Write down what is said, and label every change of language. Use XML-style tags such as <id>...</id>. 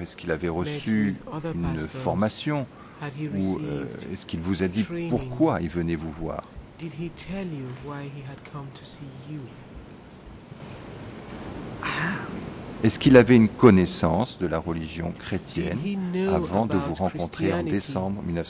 <fr>Est-ce qu'il avait reçu une formation? Ou est-ce qu'il vous a dit pourquoi il venait vous voir?</fr> <en>Did he tell you why he had come to see you?</en> <fr>Est-ce qu'il avait une connaissance de la religion chrétienne avant de vous rencontrer en décembre</fr>